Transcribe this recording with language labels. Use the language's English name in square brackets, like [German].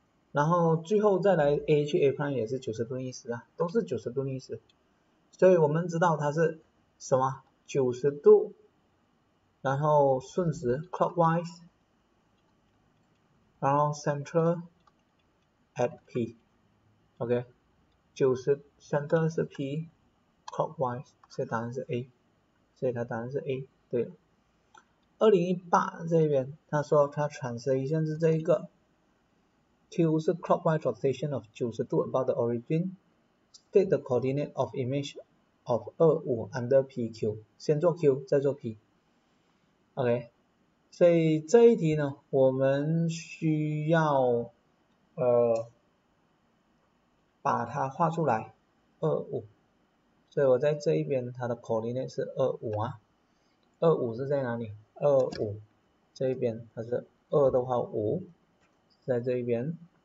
[Chinese] 然后最后再来 A 去 A prime 也是90度逆时啊，都是90度逆时，所以我们知道它是什么90度，然后顺时 clockwise，然后 [English] center at P， [Chinese] OK，center 是 P，clockwise，所以答案是 A，所以它答案是 A，对了。 2018这边他说他 translation 是这一个。 [English] Q [Chinese] 是 [English] clockwise rotation of 90度 about the origin. State the coordinate of image of 25 under PQ. [Chinese] 先做 Q，再做 P。 OK，所以这一题呢，我们需要把它画出来25。所以我在这一边它的 coordinate 是25啊。 25是在哪里？25这一边它是2的话5在这一边。